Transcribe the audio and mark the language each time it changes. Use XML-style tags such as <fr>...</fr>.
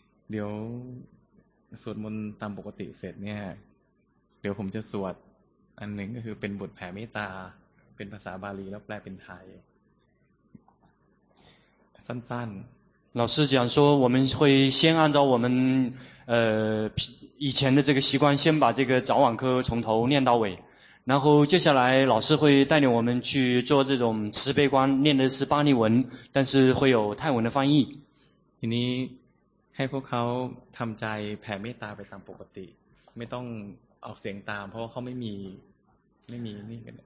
<th>เดี๋ยวสวดมนต์ตามปกติเสร็จเนี่ยเดี๋ยวผมจะสวดอันหนึ่งก็คือเป็นบทแผ่เมตตาเป็นภาษาบาลีแล้วแปลเป็นไทยสั้น</th> <zh>ๆ老师讲说我们会先按照我们以前的这个习惯先把这个早晚课从头念到尾然后接下来老师会带领我们去做这种慈悲观念的是巴利文但是会有泰文的翻译</zh> <th>ทีนี้ให้พวกเขาทำใจแผ่เมตตาไปตามปกติไม่ต้องออกเสียงตามเพราะเขาไม่มีนี่กัน</th>